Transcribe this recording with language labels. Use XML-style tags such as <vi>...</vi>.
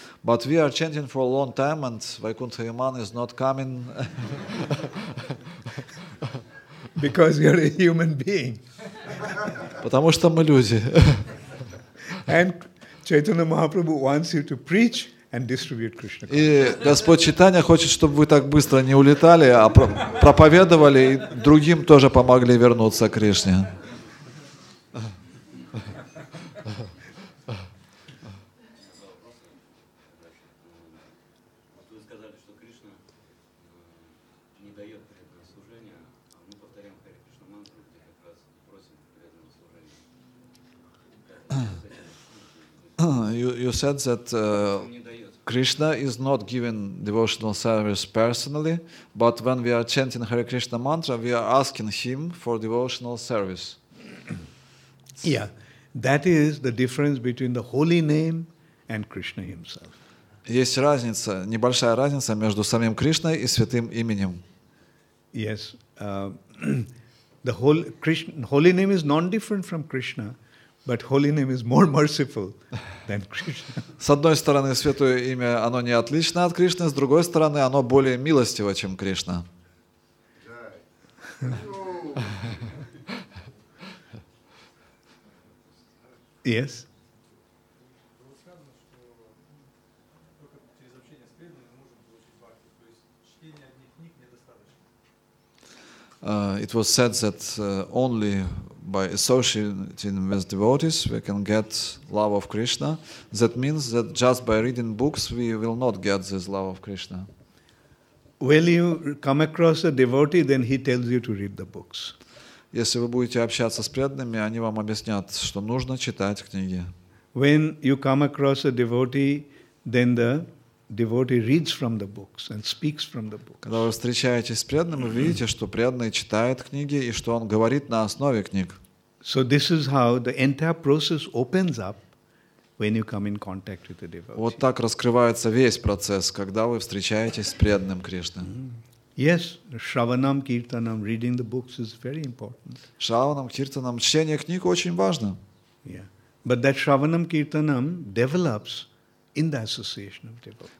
<en>But we are chanting for a long time, and Vaikuntha Viman is not coming. Because you're a human being.</en> <ru>Потому что мы люди.</ru> <en>And Chaitanya Mahaprabhu wants you to preach and distribute Krishna consciousness.</en> <ru>И Господь Чайтанья хочет, чтобы вы так быстро не улетали, а проповедовали и другим тоже помогли вернуться к Кришне.</ru> <en>Yeah. you said that Krishna is not giving devotional service personally, but when we are chanting Hare Krishna mantra, we are asking him for devotional service. Yeah, that is the difference between the holy name and Krishna himself.</en> <ru>Есть разница, небольшая разница между самим Кришной и святым именем.</ru> <en>Yes, the whole Krishna, holy name is non-different from Krishna, but holy name is more merciful than Krishna.</en> <ru>С одной стороны, святое имя, оно не отлично от Кришны, с другой стороны, оно более милостиво, чем Кришна.</ru> <en>Yes. It was said that only by associating with devotees we can get love of Krishna. That means that just by reading books we will not get this love of Krishna. Will you come across a devotee, then he tells you to read the books.</en> <ru>Если вы будете общаться с преданными, они вам объяснят, что нужно читать книги.</ru> <en>When you come across a devotee, then the devotee reads from the books and speaks from the books.</en> <ru>Когда вы встречаетесь с преданным, вы видите, что преданный читает книги и что он говорит на основе книг.</ru> <en>So this is how the entire process opens up when you come in contact with the devotee.</en> <ru>Вот так раскрывается весь процесс, когда вы встречаетесь с преданным Кришной.</ru> <en>Yes, shravanam, kirtanam, reading the books is very important.</en> <ru>Shravanam, kirtanam, чтение книг очень важно.</ru> <en>Yeah, but that shravanam, kirtanam develops in the association of devotees.</en>